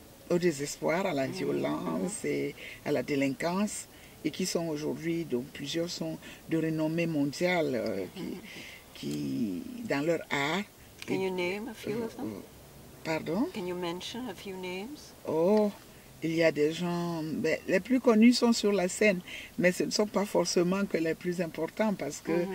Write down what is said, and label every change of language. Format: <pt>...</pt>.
<fr>au désespoir, à la violence et à la délinquance, et qui sont aujourd'hui, donc plusieurs sont de renommée mondiale qui dans leur art.</fr> <en>Can you name a few of them?</en> <fr>Pardon?</fr> <en>Can you mention a few names?</en> <fr>Oh, il y a des gens, ben, les plus connus sont sur la scène, mais ce ne sont pas forcément que les plus importants, parce que</fr>